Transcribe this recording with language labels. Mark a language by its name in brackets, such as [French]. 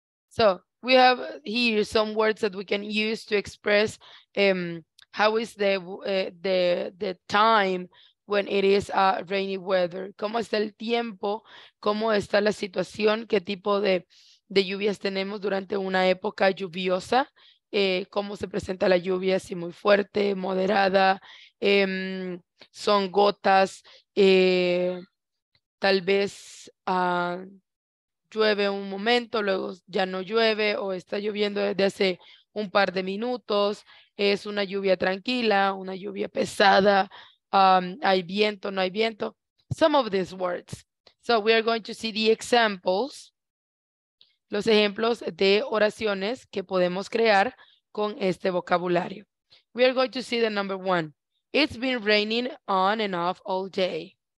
[English] So we have here some words that we can use to express how is the time when it is a rainy weather. [Spanish] ¿Cómo está el tiempo? ¿Cómo está la situación? ¿Qué tipo de lluvias tenemos durante una época lluviosa? ¿Cómo se presenta la lluvia? ¿Si muy fuerte, moderada? ¿Son gotas? Tal vez llueve un momento, luego ya no llueve o está lloviendo desde hace un par de minutos. ¿Es una lluvia tranquila, una lluvia pesada? ¿Hay viento, no hay viento? [English] Some of these words. So we are going to see the examples. [Spanish] Los ejemplos de oraciones que podemos crear con este vocabulario. [English] We are going to see the number one. It's been raining on and off all day.